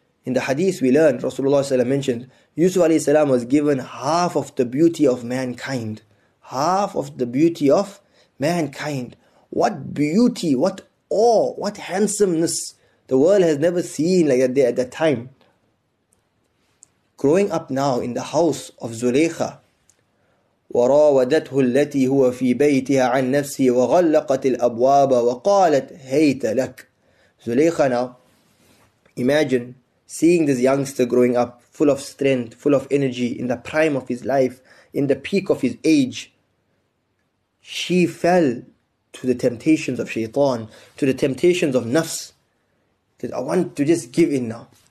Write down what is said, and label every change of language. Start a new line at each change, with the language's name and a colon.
English: In the hadith we learned, Rasulullah salam mentioned, Yusuf alayhi salam was given half of the beauty of mankind. Half of the beauty of mankind. What beauty, what awe, what handsomeness the world has never seen like that day at that time. Growing up now in the house of Zulaykha,
Arabic: وَرَاوَدَتْهُ الَّتِي هُوَ فِي بَيْتِهَا عَنْ نَفْسِي وَغَلَّقَتِ الْأَبْوَابَ وَقَالَتْ هَيْتَ لَكَ.
English: Zulaykha now, imagine seeing this youngster growing up full of strength, full of energy, in the prime of his life, in the peak of his age. She fell to the temptations of shaitan, to the temptations of nafs, that I want to just give in now.